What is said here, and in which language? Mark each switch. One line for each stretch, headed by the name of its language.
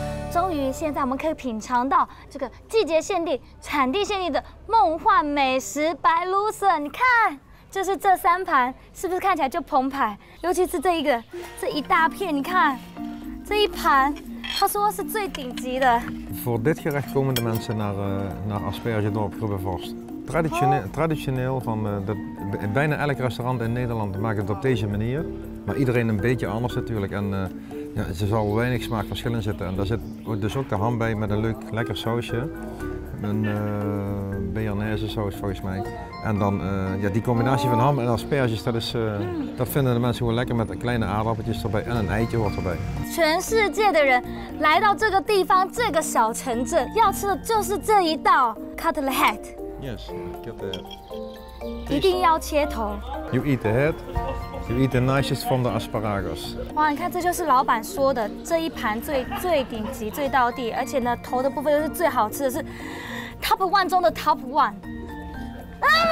Chinese: 终于，现在我们可以品尝到这个季节限定、产地限定的梦幻美食白芦笋。你看，就是这三盘，是不是看起来就澎湃？尤其是这一个，这一大片，你看这一盘，他说是最顶级的。
Dutch: Voor dit gerecht komen de mensen naar Aspergedorp Grubbevorst. Traditioneel van de, bijna elk restaurant in Nederland maakt het op deze manier. Maar iedereen een beetje anders natuurlijk. En ja, er zal weinig smaakverschil in zitten. En daar zit dus ook de ham bij met een leuk lekker sausje. Een béarnaise saus volgens mij. En dan ja, die combinatie van ham en asperges, dat vinden de mensen gewoon lekker met kleine aardappeltjes erbij. En een eitje wordt erbij.
Chinese: 全世界的人来到这个地方，这个小城镇，要吃的就是这一道 cutlet.
English: Yes, get the head.
Chinese: 一定要切头。
English: You eat the head. You eat the nicest from the asparagus.
Chinese: 哇，你看，这就是老板说的这一盘最顶级、最道地，而且呢，头的部分又是最好吃的，是
English: top one
Chinese: 中的 top one。啊！